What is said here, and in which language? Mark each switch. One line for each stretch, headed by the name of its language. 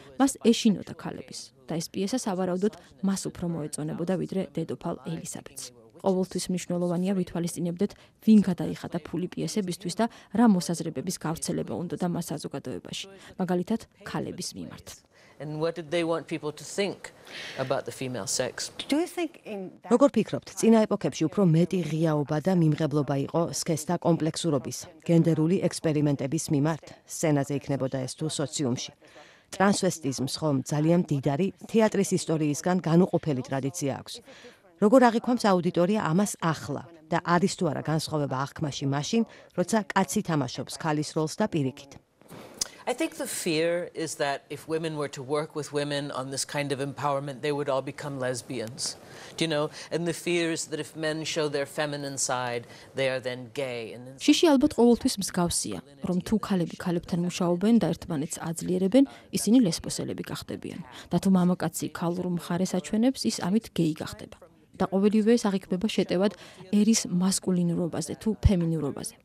Georgian: მას ეშინოდა ქალების და ეს პიესა სავარაუდოდ მას უფრო მოეწონებოდა, ვიდრე დედოფალ ელისაბეთს. ყოველთვის მნიშვნელოვანია ვითვალისწინებდეთ, ვინ გადაიხადა ფული პიესებისთვის და რა მოსაზრებების გავრცელება უნდა და მას საზოგადოებაში, მაგალითად ქალების მიმართ.
English: And what did they want people to think about the female sex? Do you think in that
Georgian: როგორ ფიქრობთ, წინა ეპოქებში უფრო მეტი ღიაობა და მიმღებლობა იყო სქესთა კომპლექსურობის, გენდერული ექსპერიმენტების მიმართ, სცენაზე იქნებოდა ეს თუ სოციუმში? ტრანსვესტიზმს ხომ ძალიან მდიდარი თეატრის ისტორიისგან განუყოფელი ტრადიცია აქვს. როგორ აღიქვამს აუდიტორია ამას ახლა და არის თუ არა განსხვავება აღქმაში მაშინ, როცა კაცი თამაშობს ქალის როლს და პირიქით?
English: I think the fear is that if women were to work with women on this kind of empowerment they would all become lesbians. Do you know? And the fear is that if men show their feminine side they are then gay.
Georgian: შიში ალბათ ყოველთვის მსგავსია, რომ თუ ქალები ქალებთან მუშაობენ და ერთმანეთს აძლიერებენ, ისინი ლესბოსელები გახდებიან. და თუ მამაკაცი ქალურ მხარეს აჩვენებს, ის ამით gay გახდება. და ყოველივე ეს აღიქმება შეტევად ერის მასკულინურობაზე თუ ფემინურობაზე.